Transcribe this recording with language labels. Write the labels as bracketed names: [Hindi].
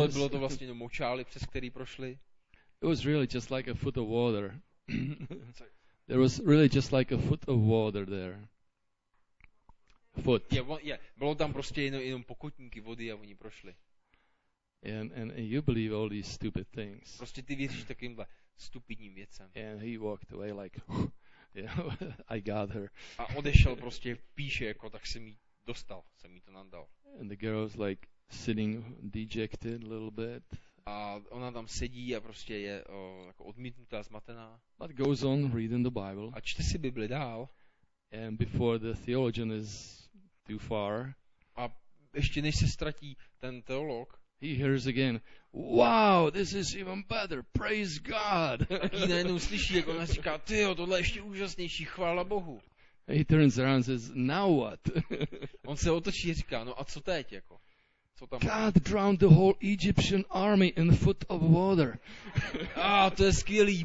[Czech] A bylo to vlastně močály, přes který prošli. [English] It was really just like a foot of water. There was really just like a foot of water there. Foot. Yeah. [Czech] Bylo tam prostě jenom pokotníky vody a oni prošli. [English] And you believe all these stupid things. [Czech] Prostě ty věříš takovýmhle stupidním věcem. [English] And he walked away like, yeah, I got her. [Czech] A odešel prostě píše jako, tak jsem jí dostal, jsem jí to nandal. [English] And the girl was like sitting dejected a little bit. [Czech] A ona tam sedí a prostě je jako odmítnutá, zmatená. [English] But goes on reading the Bible. [Czech] A čte si Bibli dál. [English] And before the theologian is too far. [Czech] A ještě než se ztratí ten teolog. [English] He hears again, wow, this is even better, praise God. [Czech] A najednou slyší, jak ona říká, tyjo, tohle je ještě úžasnější, chvála Bohu. [English] He turns around and says, now what? [Czech] On se otočí a říká, no a co teď, jako? [English] God drowned the whole Egyptian army in a foot of water. [Czech] To je skvělý.